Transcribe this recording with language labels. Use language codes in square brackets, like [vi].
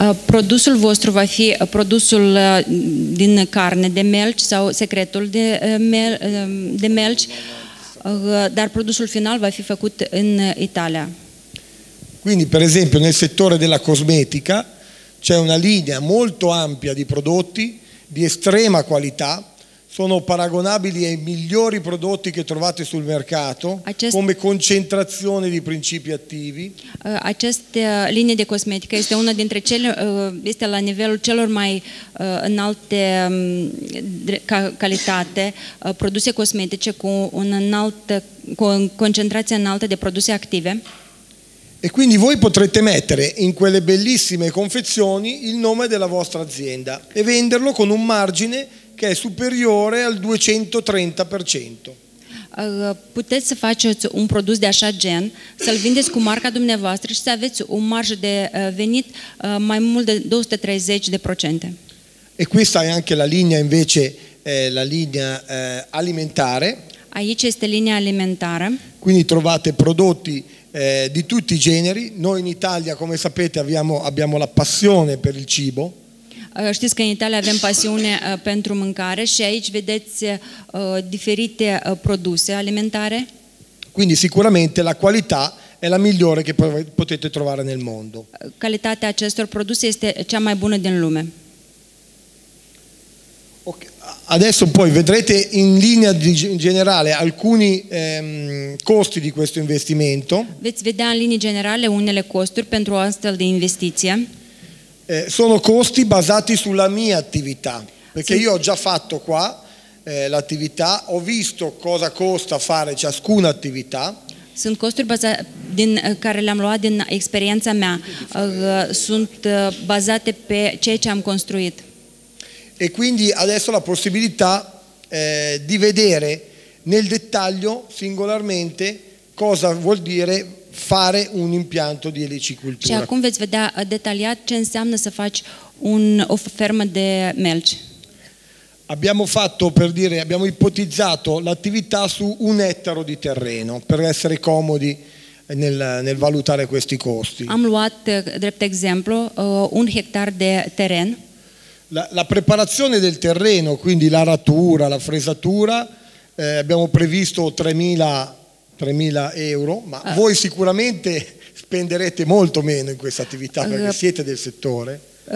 [ro] Produsul vostru va fi produsul din carne de melci sau secretul de de melci, dar produsul final va fi făcut în Italia. [it] Quindi, per esempio, nel settore della cosmetica c'è una linea molto ampia di prodotti di estrema qualità. Sono paragonabili ai migliori prodotti che trovate sul mercato, come concentrazione di principi attivi. [ro] Această linie de cosmetică este una dintre cele, este la nivelul celor mai înalte calitate, produse cosmetice cu un înalt, cu o concentrație înaltă de produse active. [it] E quindi voi potrete mettere in quelle bellissime confezioni il nome della vostra azienda e venderlo con un margine che è superiore al 230%. [ro] Puteți să faceți un produs de așa gen, să-l vindeți cu marca dumneavoastră și să aveți un marjă de venit mai mult de 230%. [it] E questa è anche la linea invece, la linea alimentare. [ro] Aici este linia alimentară. [it] Quindi trovate prodotti di tutti i generi. Noi in Italia, come sapete, abbiamo la passione per il cibo. [ro] Știți că în Italia avem pasiune pentru mâncare și aici vedeți diferite produse alimentare. [it] Quindi sicuramente la qualità è la migliore che potete trovare nel mondo. [ro] Calitatea acestor produse este cea mai bună din lume. Okay. [it] Adesso poi vedrete in linea generale alcuni costi di questo investimento. [ro] Veți vedea în linie generale unele costuri pentru o astfel de investiție. [it] Sono costi basati sulla mia attività, perché sì, io ho già fatto qua l'attività, ho visto cosa costa fare ciascuna attività. [ro] Sunt costuri din care le-am luat din experiența mea, sunt bazate pe ceea ce am construit. [it] E quindi adesso la possibilità di vedere nel dettaglio, singolarmente, cosa vuol dire fare un impianto di elicicoltura. [ro] Și acum veți vedea detaliat ce înseamnă să faci o fermă de melci. [it] Abbiamo fatto, per dire, abbiamo ipotizzato l'attività su un ettaro di terreno, per essere comodi nel valutare questi costi. [ro] Am luat, drept exemplu, un hectar de teren. [it] La preparazione del terreno, quindi l'aratura, la fresatura, abbiamo previsto 3.000 euro, ma voi sicuramente spenderete molto meno in questa attività perché siete del settore.